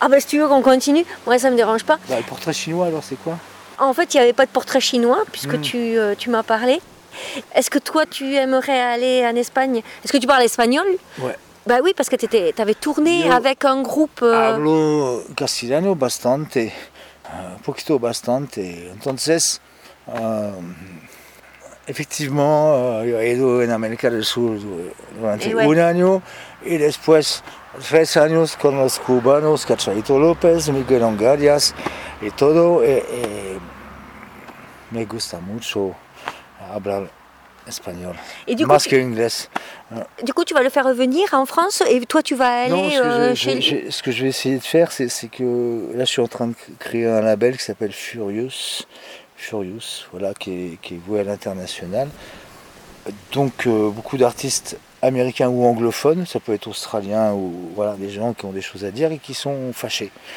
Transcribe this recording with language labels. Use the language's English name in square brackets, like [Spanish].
[French] Ah, ben, si tu veux qu'on continue, moi, ça me dérange pas. Ben, le portrait chinois, alors, c'est quoi ? En fait, il n'y avait pas de portrait chinois, puisque tu m'as parlé. Est-ce que toi, tu aimerais aller en Espagne ? Est-ce que tu parles espagnol ? Ouais. Ben oui, parce que tu avais tourné avec un groupe... [Spanish] Hablo castellano bastante, un poquito bastante. Entonces, effectivement, yo he ido en América del Sur durante un año, y después, tres años con los cubanos, Cachaito López, Miguel Angarias, y todo. Y me gusta mucho hablar espagnol, [French] et du [Spanish] más [French] coup, [Spanish] que inglés. [French] Du coup, tu vas le faire revenir en France et toi, tu vas aller chez lui. Ce que je vais essayer de faire, c'est que là, je suis en train de créer un label qui s'appelle Furious, voilà, qui est voué à l'international. Donc, beaucoup d'artistes américains ou anglophones, ça peut être australien ou voilà, des gens qui ont des choses à dire et qui sont fâchés.